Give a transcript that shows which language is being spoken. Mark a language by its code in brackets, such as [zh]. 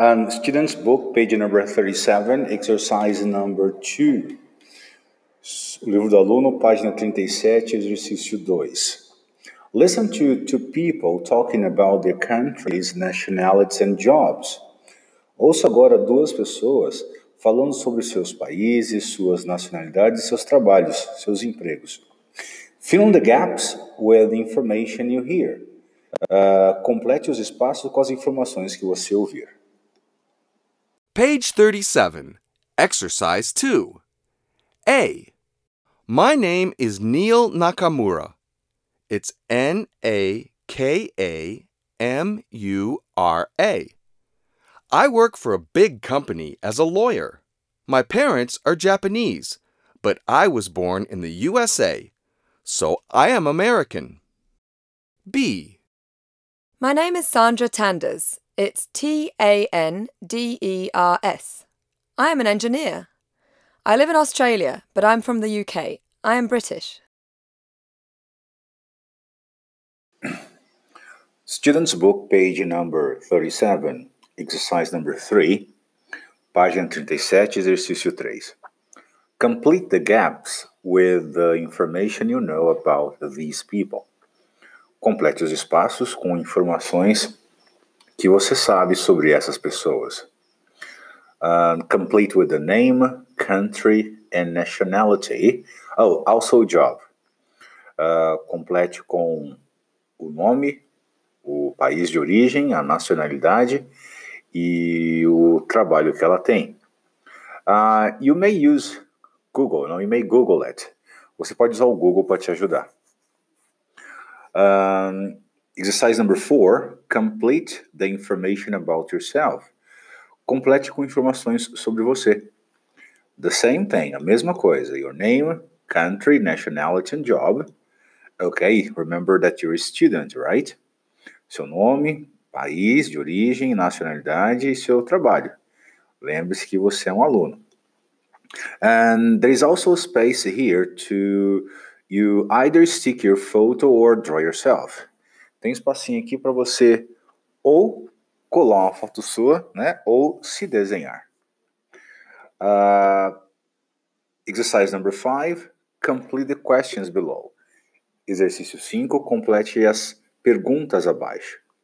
[en] Student's book, page number 37, exercise number 2. [pt] Livro do aluno, página 37, exercício 2. [en] Listen to two people talking about their countries, nationalities, and jobs. [pt] Ouça agora duas pessoas falando sobre seus países, suas nacionalidades, seus trabalhos, seus empregos. [en] Fill in the gaps with the information you hear. [pt] Complete os espaços com as informações que você ouvir. [en] Page 37, Exercise 2. A. My name is Neil Nakamura. It's Nakamura. I work for a big company as a lawyer. My parents are Japanese, but I was born in the USA, so I am American. B. My name is Sandra Tanders. It's Tanders. I am an engineer. I live in Australia, but I'm from the UK. I am British. Student's book, page number 37, exercise number 3, [pt] página 37, exercício 3. [en] Complete the gaps with the information you know about these people. [pt] Complete os espaços com informações que você sabe sobre essas pessoas. [en] Complete with the name, country, and nationality. Oh, also job. [pt] Complete com o nome, o país de origem, a nacionalidade e o trabalho que ela tem. [en] You may use Google. No, you may Google it. [pt] Você pode usar o Google para te ajudar. [en] Exercise number 4. Complete the information about yourself. [pt] Complete com informações sobre você. [en] The same thing. [pt] A mesma coisa. [en] Your name, country, nationality and job. Okay, remember that you're a student, right? [pt] Seu nome, país de origem, nacionalidade e seu trabalho. Lembre-se que você é um aluno. [en] And there is also a space here to you either stick your photo or draw yourself. [pt] Tem espacinho aqui para você ou colar uma foto sua, né? Ou se desenhar. [en] Exercise number 5, complete the questions below. [pt] Exercício 5, complete as perguntas abaixo.